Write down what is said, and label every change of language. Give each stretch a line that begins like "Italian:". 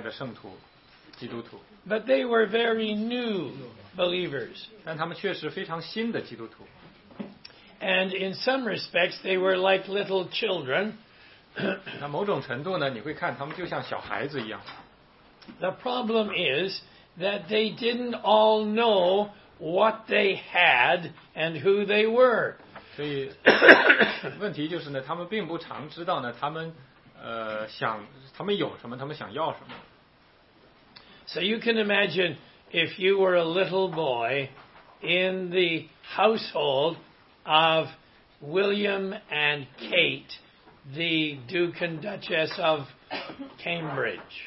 Chinese: 哥林多教会啊，是一群很可爱的圣徒，基督徒。
English: But they were very new believers.
Chinese: 但他们确实非常新的基督徒。
English: And in some respects, they were like little children.
Chinese: 那某种程度呢，你会看他们就像小孩子一样。
English: The problem is that they didn't all know what they had and who they were.
Chinese: 所以问题就是呢，他们并不常知道呢，他们想他们有什么，他们想要什么。
English: So you can imagine if you were a little boy in the household of William and Kate, the Duke and Duchess of Cambridge.